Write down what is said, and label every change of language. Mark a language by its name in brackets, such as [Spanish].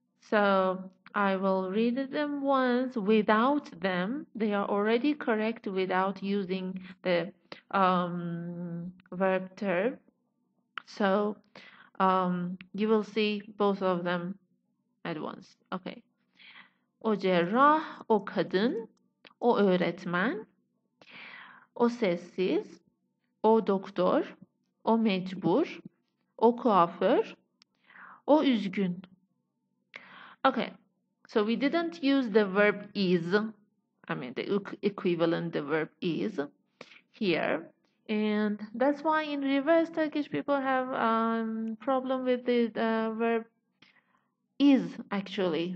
[English] So I will read them once without them. They are already correct without using the verb term. So you will see both of them at once. Okay. [Turkish] O cerrah, o kadın, o öğretmen, o sessiz, o doktor, o mecbur, o kuaför, o üzgün. [English] Okay, so we didn't use the verb is, I mean the equivalent, the verb is here. And that's why in reverse Turkish people have a problem with the verb is, actually.